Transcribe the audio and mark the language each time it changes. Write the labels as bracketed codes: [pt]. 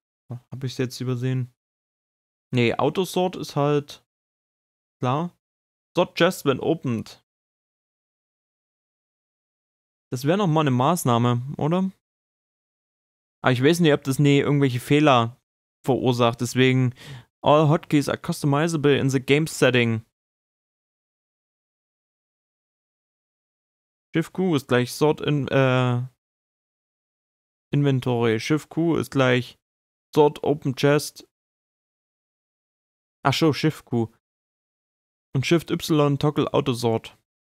[de] Habe ich es jetzt übersehen? Nee, Autosort ist halt klar. [en] Sort just when opened. [de] Das wäre nochmal eine Maßnahme, oder? Aber ich weiß nicht, ob das nee, irgendwelche Fehler verursacht. Deswegen, [en] all Hotkeys are customizable in the game setting. [de] Shift Q ist gleich Sort in Inventory. Shift Q ist gleich Sort Open Chest. Ach so, Shift Q. Und Shift Y Toggle Autosort.